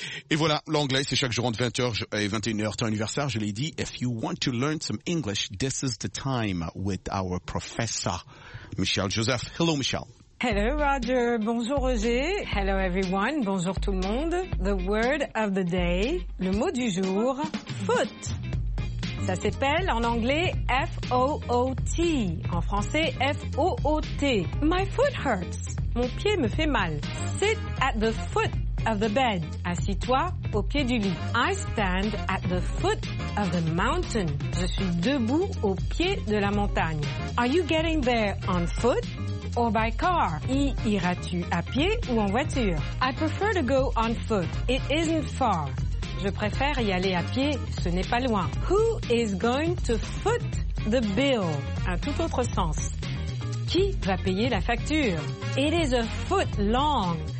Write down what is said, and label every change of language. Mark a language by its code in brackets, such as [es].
[fr] Et voilà, l'anglais, c'est chaque jour entre 20h et 21h, temps universel, je l'ai dit. [en] If you want to learn some English, this is the time with our professor, Michel Joseph. Hello, Michel. Hello, Roger. [fr] Bonjour, Roger. [en] Hello, everyone. [fr] Bonjour, tout le monde. [en] The word of the day, [fr] le mot du jour, [en] foot. [fr] Ça s'appelle en anglais F-O-O-T. En français, [en] F-O-O-T. My foot hurts. [fr] Mon pied me fait mal. [en] Sit at the foot of the bed. [fr] Assis-toi au pied du lit. [en] I stand at the foot of the mountain. [fr] Je suis debout au pied de la montagne. [en] Are you getting there on foot or by car? [fr] Y iras-tu à pied ou en voiture? [en] I prefer to go on foot. It isn't far. [fr] Je préfère y aller à pied. Ce n'est pas loin. [en] Who is going to foot the bill? [fr] Un tout autre sens. Qui va payer la facture? [en] It is a foot long.